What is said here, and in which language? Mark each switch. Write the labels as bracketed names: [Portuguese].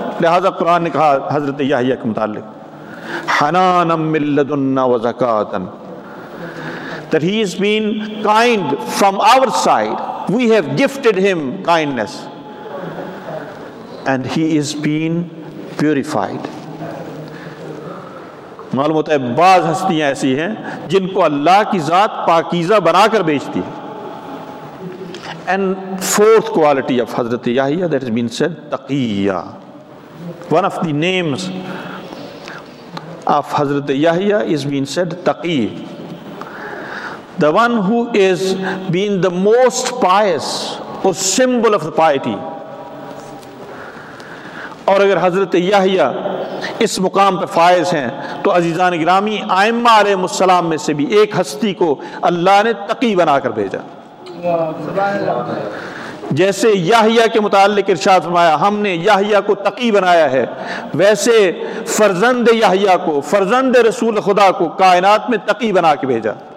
[Urdu] لہذا قرآن نے کہا حضرت یحییٰ کے متعلق [Arabic] حنانا من لدنا وزکاۃ, [English] that he has been kind from our side, we have gifted him kindness, and he has been purified. [Urdu] معلوم ہوتا ہے بعض ہستیاں ایسی ہیں جن کو اللہ کی ذات پاکیزہ بنا کر بیچتی ہے. [English] And fourth quality of Hazrat Yahya, that is been said Taqiya. One of the names of Hazrat Yahya is been said Taqi, the one who is been the most pious, اور symbol of the piety. [Urdu] اور اگر حضرت یحییٰ اس مقام پہ فائز ہیں تو عزیزان گرامی, آئمہ علیہ السلام میں سے بھی ایک ہستی کو اللہ نے تقی بنا کر بھیجا. جیسے یحییٰ کے متعلق ارشاد فرمایا ہم نے یحییٰ کو تقی بنایا ہے، ویسے فرزند یحییٰ کو، فرزند رسول خدا کو کائنات میں تقی بنا کے بھیجا.